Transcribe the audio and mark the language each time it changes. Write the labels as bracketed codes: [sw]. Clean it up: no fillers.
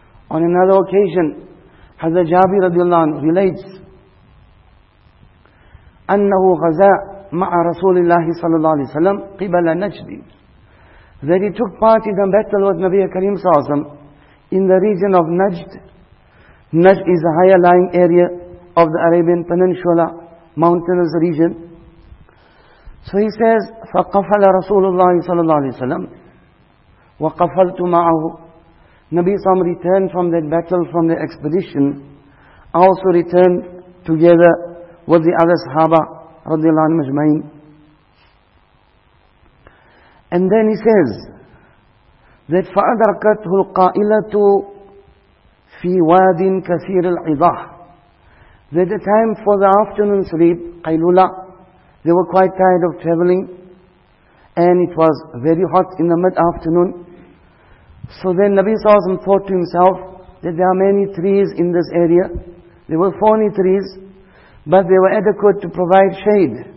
[en] On another occasion, Hazrat Jabir radiallahu anhu relates, [ar] أَنَّهُ غَزَى مَعَ رَسُولِ اللَّهِ صَلَّى اللَّهُ عَلَيْهِ وَسَلَّمْ قِبَلَ نَجْدٍ, [en] that he took part in a battle with Nabi Karim صلى الله عليه وسلم in the region of Najd. Najd is a higher lying area of the Arabian Peninsula, mountainous region. [ar] So he says, فَقَفَلَ رَسُولُ اللَّهِ صَلَّى اللَّهُ عَلَيْهِ وَسَلَّمْ وَقَفَلْتُ مَعَهُ. [en] Nabi Sallam returned from that battle, from the expedition. I also returned together with the other Sahaba رضي الله عنهم أجمعين. [ar] And then he says, that فَأَدْرَكَتْهُ الْقَائِلَةُ فِي وَادٍ كَثِيرِ الْعِضَاحِ. [en] That the time for the afternoon sleep, قَيْلُولَةُ, they were quite tired of traveling, and it was very hot in the mid-afternoon. So then Nabi Sallallahu Alaihi Wasallam thought to himself that there are many trees in this area. There were thorny trees, but they were adequate to provide shade.